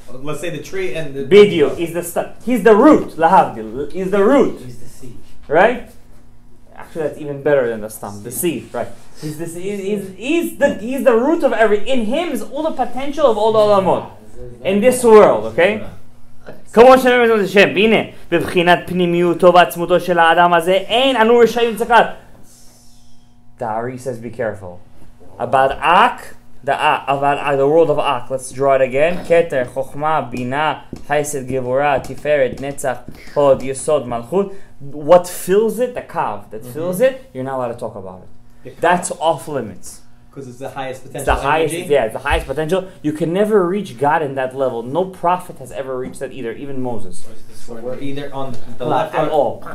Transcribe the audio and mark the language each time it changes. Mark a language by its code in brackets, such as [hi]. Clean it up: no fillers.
[en] Let's say the tree and the... Bidyo is the stump. He's the root. Lahavdil is the root. He's the seed. Right? Actually, that's even better than the stump. The seed, right? He's the root of every... In him is all the potential of all the olamot. In this world, okay? [he] כמו שאני אומר את השם, הנה, בבחינת פנימיותו ועצמותו של האדם הזה, אין אנו רשאים לצחת. [en] דארי says, be careful. About Ak, the world of Ak, let's draw it again. [he] כתר, חוכמה, בינה, חסד, גבורה, תפארת, נצח, הוד, יסוד, מלכות. [en] What fills it, the cav, that fills it, you're not allowed to talk about it. That's off limits. Because it's the highest potential. It's the highest potential. You can never reach God in that level. No prophet has ever reached that either, even Moses. So we're either on the left at all.